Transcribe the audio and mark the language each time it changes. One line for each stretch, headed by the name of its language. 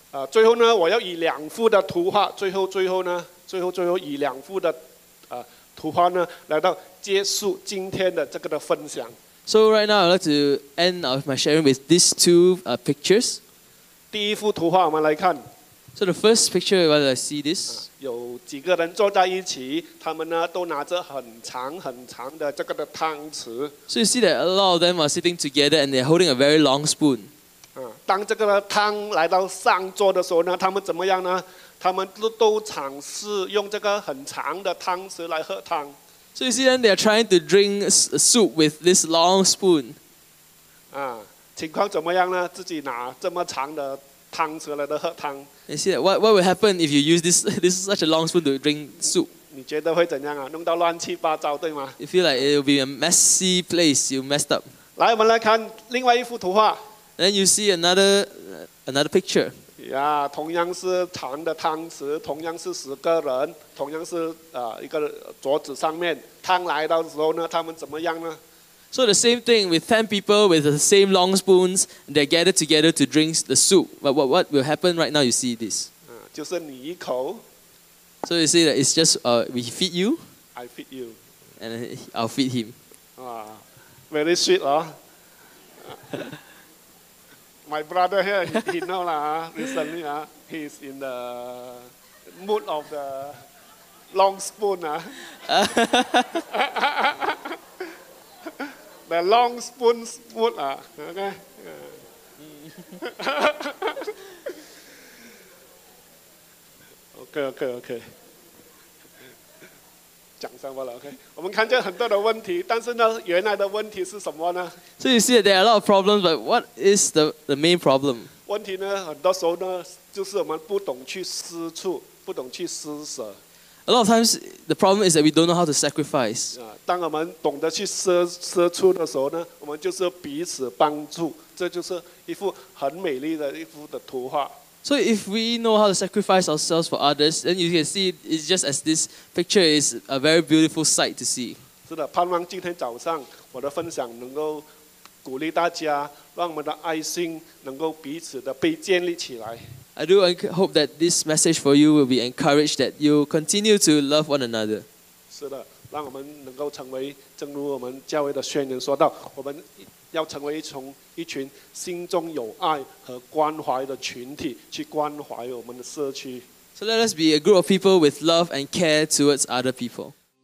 Chinese: 最后呢，我要以两幅的图画，最后以两幅的图画呢，来到结束今天的这个的分享。
English: So right now I'd like to end my sharing with these two pictures.
Chinese: 第一幅图画我们来看。
English: So the first picture, when I see this,
Chinese: 有几个人坐在一起，他们呢都拿着很长很长的这个的汤匙。
English: So you see that a lot of them are sitting together and they're holding a very long spoon.
Chinese: 当这个的汤来到上桌的时候呢，他们怎么样呢？他们都尝试用这个很长的汤匙来喝汤。
English: So you see that they're trying to drink soup with this long spoon.
Chinese: 情况怎么样呢？自己拿这么长的汤匙来喝汤。
English: You see, what will happen if you use this is such a long spoon to drink soup?
Chinese: 你觉得会怎样啊？弄到乱七八糟，对吗？
English: You feel like it will be a messy place. You messed up.
Chinese: 来，我们来看另外一幅图画。
English: Then you see another picture.
Chinese: Yeah, 同样是长的汤匙，同样是十个人，同样是一个桌子上面，汤来到的时候呢，他们怎么样呢？
English: So the same thing with 10 people with the same long spoons, they're gathered together to drink the soup. But what will happen right now, you see this.
Chinese: 就是你一口。
English: So you see that it's just we feed you. I feed you. And I'll feed him. Wow, very sweet. My brother here, he know recently, he's in the mood of the long spoon. The long spoon food, okay? okay.
Chinese: 讲上完了 ，okay? 我们看见很多的问题，但是呢，原来的问题是什么呢
English: ？So you see, there are a lot of problems, but what is the main problem?
Chinese: 问题呢，很多时候呢，就是我们不懂去施处，不懂去施舍。
English: A lot of times, the problem is that we don't know how to sacrifice.
Chinese: 当我们懂得去施出的时候呢，我们就是彼此帮助。这就是一幅很美丽的一幅的图画。
English: So if we know how to sacrifice ourselves for others, then you can see it's just as this picture is a very beautiful sight to see.
Chinese: 是的，盼望今天早上我的分享能够鼓励大家，让我们的爱心能够彼此的被建立起来。
English: I do hope that this message for you will be encouraged that you continue to love one another.
Chinese: 是的，让我们能够成为，正如我们教会的宣言说到，我们要成为一群心中有爱和关怀的群体，去关怀我们的社区。
English: So let us be a group of people with love and care towards other people.